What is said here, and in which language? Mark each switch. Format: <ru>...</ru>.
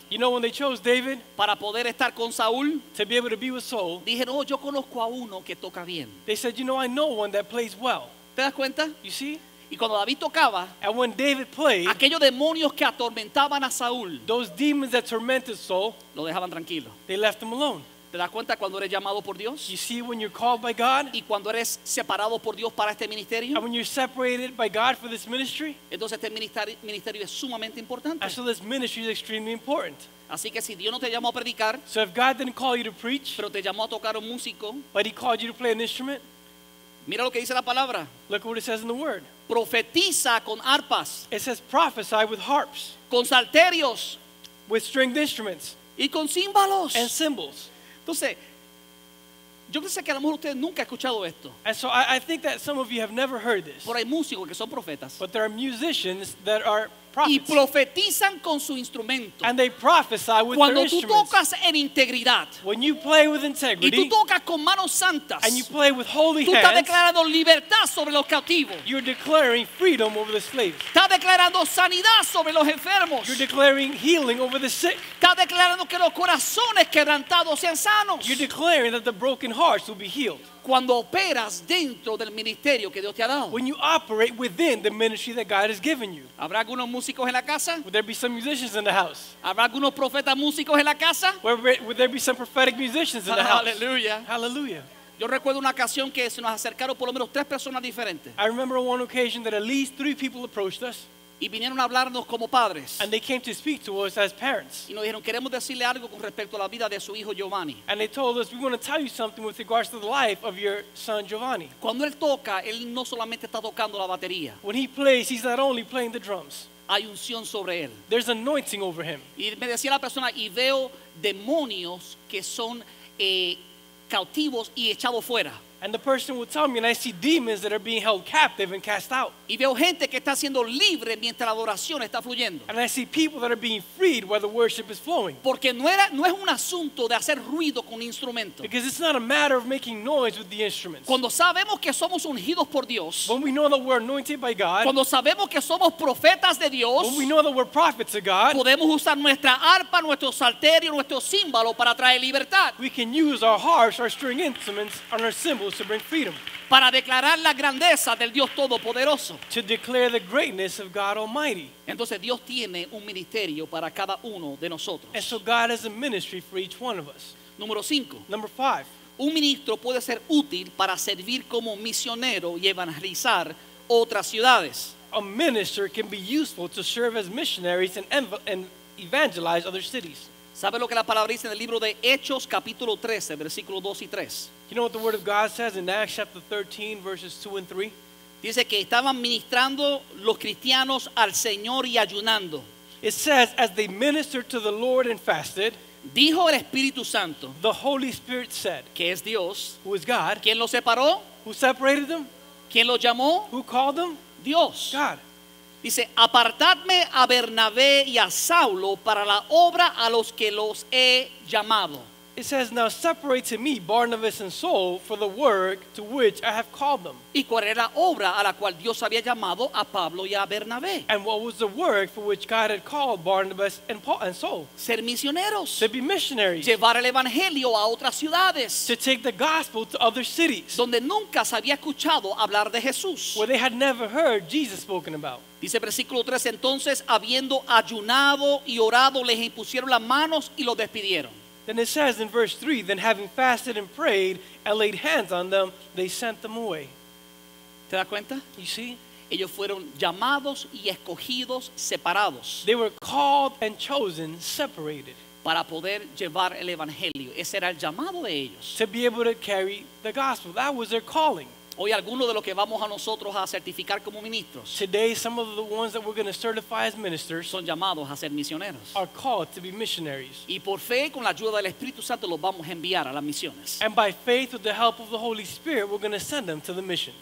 <en>You know when they chose David?</en> <es>Para poder estar con Saúl.</es> <en>To be able to be with Saul.</en> <es>Dijeron, oh, yo conozco a uno que toca bien.</es> <en>They said, you know, I know one that plays well.</en> <es>¿Te das cuenta?</es> <en>You see?</en> <es>Y cuando David tocaba,</es> <en>and when David played,</en> <es>aquellos demonios que atormentaban a Saúl,</es> <en>those demons that tormented Saul,</en> <es>lo dejaban tranquilo.</es> <en>They left him alone.</en> <es>¿Te das cuenta cuando eres llamado por Dios?</es> <en>You see when you're called by God?</en> <es>Y cuando eres separado por Dios para este ministerio.</es> <en>And when you're separated by God for this ministry?</en> <es>Entonces este ministerio es sumamente importante.</es> <en>And so this ministry is extremely important.</en> <es>Así que si Dios no te llamó a predicar,</es> <en>so if God didn't call you to preach,</en> <es>pero te llamó a tocar un músico,</es> <en>but he called you to play an instrument,</en> <es>mira lo que dice la palabra.</es> <en>Look what it says in the word.</en> <es>Profetiza con arpas.</es> <en>It says prophesy with harps.</en> <es>Con salterios.</es> <en>With stringed instruments.</en> <es>Y con címbalos.</es> <en>And cymbals.</en> <es>Entonces, yo pensé que a lo mejor ustedes nunca han escuchado esto.</es> <en>And so I think that some of you have never heard this.</en> <es>Pero hay músicos que son profetas.</es> <en>But there are musicians that are prophets.</en> <es>Y profetizan con su instrumento.</es> <en>And they prophesy with</en> <es>cuando</es> <en>their instruments.</en> <es>Cuando tú tocas en integridad.</es> <en>When you play with integrity.</en> <es>Y tú tocas con manos santas.</es> <en>And you play with holy hands.</en> <es>Tú estás declarando libertad sobre los cautivos.</es> <en>You're declaring freedom over the slaves.</en> <es>Estás declarando sanidad sobre los enfermos.</es> <en>You're declaring healing over the sick.</en> <es>Estás declarando que los corazones quebrantados sean sanos.</es> <en>You're declaring that the broken hearts will be healed.</en> <es>Cuando operas dentro del ministerio que Dios te ha dado.</es> <en>When you operate within the ministry that God has given you.</en> <es>¿Habrá algunos músicos en la casa?</es> <en>Would there be some musicians in the house?</en> <es>¿Habrá algunos profetas músicos en la casa?</es> <en>Would there be some prophetic musicians in the house?</en> <es>Hallelujah.</es> <en>Hallelujah.</en> <es>Yo recuerdo una ocasión que se nos acercaron por lo menos tres personas diferentes.</es> <en>I remember one occasion that at least three people approached us.</en> <es>Y vinieron a hablarnos como padres.</es> <en>And they came to speak to us as parents.</en> <es>Y nos dijeron, queremos decirle algo con respecto a la vida de su hijo Giovanni.</es> <en>And they told us, we want to tell you something with regards to the life of your son Giovanni.</en> <es>Cuando él toca, él no solamente está tocando la batería.</es> <en>When he plays, he's not only playing the drums.</en> <es>Hay unción sobre él.</es> <en>There's anointing over him.</en> <es>Y me decía la persona, y veo demonios que son cautivos y echados fuera.</es> <en>And the person would tell me, and I see demons that are being held captive and cast out.</en> <es>Y veo gente que está siendo libre mientras la adoración está fluyendo.</es> <en>And I see people that are being freed while the worship is flowing.</en> <es>Porque no es un asunto de hacer ruido con instrumento.</es> <en>Because it's not a matter of making noise with the instruments.</en> <es>Cuando sabemos que somos ungidos por Dios.</es> <en>When we know that we're anointed by God.</en> <es>Cuando sabemos que somos profetas de Dios.</es> <en>When we know that we're prophets of God.</en> <es>Podemos usar nuestra arpa, nuestro salterio, nuestro címbalo para traer libertad.</es> <en>We can use our harps, our string instruments, and our cymbals. supposed to bring freedom.</en> <es>Para declarar la grandeza del Dios Todopoderoso.</es> <en>To declare the greatness of God Almighty.</en> <es>Entonces Dios tiene un ministerio para cada uno de nosotros.</es> <en>And so God has a ministry for each one of us.</en> <es>Número cinco.</es> <en>Number five.</en> <es>Un ministro puede ser útil para servir como misionero y evangelizar otras ciudades.</es> <en>A minister can be useful to serve as missionaries and evangelize other cities.</en> <es>¿Sabe lo que la palabra dice en el libro de Hechos, capítulo 13, versículos 2 y 3?</es> <en>You know what the word of God says in Acts chapter 13, verses 2 and 3?</en> <es>Dice que estaban ministrando los cristianos al Señor y ayunando.</es> <en>It says, as they ministered to the Lord and fasted,</en> <es>dijo el Espíritu Santo,</es> <en>the Holy Spirit said,</en> <es>que es Dios,</es> <en>who is God,</en> <es>¿quién los separó?</es> <en>Who separated them?</en> <es>¿Quién los llamó?</es> <en>Who called them?</en> <es>Dios.</es> <en>God.</en> <es>Dice, apartadme a Bernabé y a Saulo para la obra a los que los he llamado.</es> <en>It says, now separate to me Barnabas and Saul for the work to which I have called them.</en> <es>¿Y cuál era la obra a la cual Dios había llamado a Pablo y a Bernabé?</es> <en>And what was the work for which God had called Barnabas and Paul and Saul?</en> <es>Ser misioneros.</es> <en>To be missionaries.</en> <es>Llevar el evangelio a otras ciudades.</es> <en>To take the gospel to other cities.</en> <es>Donde nunca se había escuchado hablar de Jesús.</es> <en>Where they had never heard Jesus spoken about.</en> <es>Dice versículo 3, entonces habiendo ayunado y orado, les impusieron las manos y los despidieron.</es> <en>Then it says in verse 3, then having fasted and prayed and laid hands on them, they sent them away.</en> <es>¿Te das cuenta?</es> <en>You see?</en> <es>Ellos fueron llamados y escogidos separados.</es> <en>They were called and chosen separated.</en> <es>Para poder llevar el evangelio. Ese era el llamado de ellos.</es> <en>To be able to carry the gospel. That was their calling.</en> <es>Hoy algunos de los que vamos a nosotros a certificar como ministros.</es> <en>Today some of the ones that we're going to certify as ministers.</en> <es>Son llamados a ser misioneros.</es> <en>Are called to be missionaries.</en> <es>Y por fe con la ayuda del Espíritu Santo los vamos a enviar a las misiones.</es> <en>And by faith with the help of the Holy Spirit we're going to send them to the missions.</en>